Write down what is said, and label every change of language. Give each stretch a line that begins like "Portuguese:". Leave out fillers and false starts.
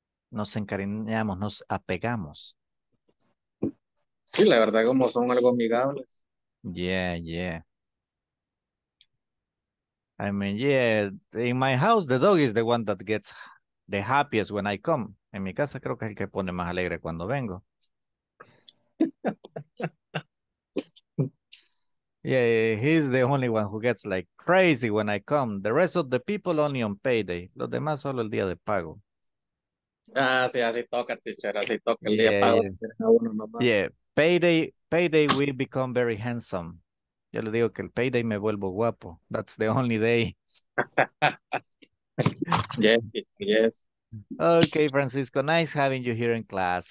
Spanish: Nos encariñamos, nos apegamos. Sí, la verdad, como son algo amigables.
English: Yeah, yeah. I mean, yeah, in my house, the dog is the one that gets the happiest when I come.
Spanish: En mi casa creo que es el que pone más alegre cuando vengo.
English: Yeah, he's the only one who gets like crazy when I come. The rest of the people only on payday.
Spanish: Los demás solo el día de pago. Ah, sí, así toca, teacher. Así toca el día de pago.
English: Yeah, payday will become very handsome.
Spanish: Yo le digo que el payday me vuelvo guapo.
English: That's the only day. Yes, yes. Okay, Francisco, nice having you here in class.